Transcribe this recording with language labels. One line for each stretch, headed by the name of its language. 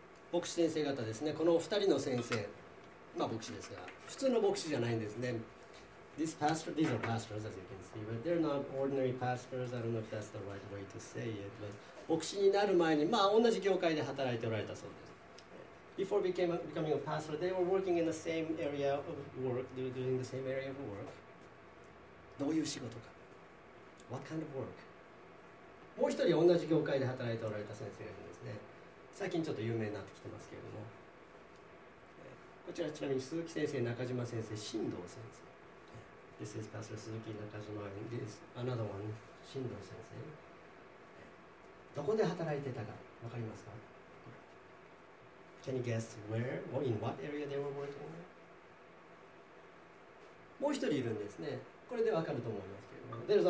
Japanese: 牧師先生方ですね、この二人の先生、まあ牧師ですが、普通の牧師じゃないんですね。
English: This pastor, these are pastors, as you can see, but they're not ordinary pastors. I don't know if that's the right way to say it.
Japanese: But 牧師になる前に、まあ同じ業界で働いておられたそうです。
English: Before becoming a pastor, they were working in the same area of work, doing the same area of work.
Japanese: どういう仕事か。
English: What kind of work?
Japanese: もう一人同じ業界で働いておられた先生がいるんですね。最近ちょっと有名になってきてますけれども。こちらちなみに鈴木先生、中島先生、新藤先生。
English: This is Pastor Suzuki Nakajima. This is another one, Shindo 先生。
Japanese: どこで働いてたか、わかりますか？
English: Can you guess where or in what area they were working?
Japanese: もう一人いるんですね。これでわかると思いますけど。